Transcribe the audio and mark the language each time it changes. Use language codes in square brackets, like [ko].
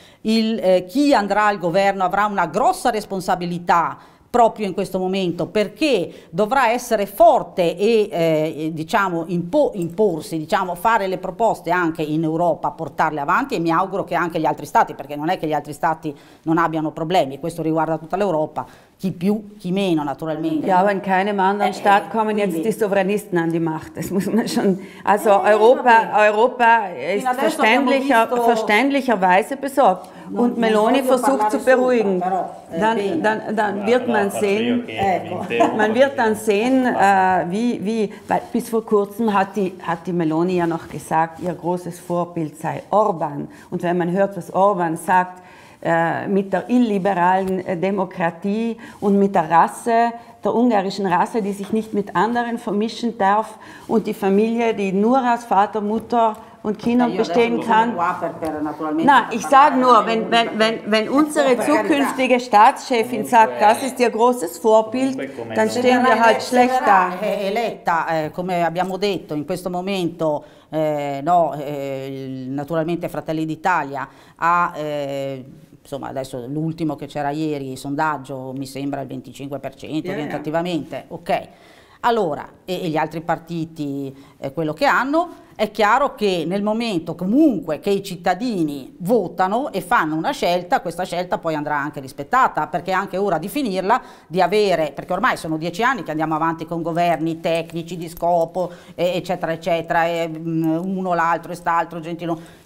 [it] chi andrà al governo avrà una grossa responsabilità proprio in questo momento, perché dovrà essere forte e diciamo imporsi, diciamo fare le proposte anche in Europa, portarle avanti, e mi auguro che anche gli altri stati, perché non è che gli altri stati non abbiano problemi, questo riguarda tutta l'Europa, chi più, chi meno naturalmente. [de] Ja, aber in keinem anderen Staat kommen jetzt die Sovranisten an die Macht. Das muss man schon. Also Europa ist verständlicherweise besorgt. Und Meloni versucht zu beruhigen. Dann wird man sehen, man wird dann sehen, wie weil bis vor kurzem hat die Meloni ja noch gesagt, ihr großes Vorbild sei Orban. Und wenn man hört, was Orban sagt mit der illiberalen Demokratie und mit der Rasse, der ungarischen Rasse, die sich nicht mit anderen vermischen darf und die Familie, die nur aus Vater, Mutter und Kindern bestehen kann. Na, ich sage nur, wenn unsere zukünftige Staatschefin sagt, das ist ihr großes Vorbild, dann stehen wir halt schlecht da. [it] Eletta, come abbiamo detto, in questo momento, no, naturalmente Fratelli d'Italia ha, insomma, adesso l'ultimo che c'era ieri, il sondaggio mi sembra il 25%, orientativamente, ok. Allora, e gli altri partiti, quello che hanno, è chiaro che nel momento comunque che i cittadini votano e fanno una scelta, questa scelta poi andrà anche rispettata, perché è anche ora di finirla, di avere, perché ormai sono 10 anni che andiamo avanti con governi tecnici di scopo, eccetera, eccetera, e uno, l'altro, e st'altro, gentilone.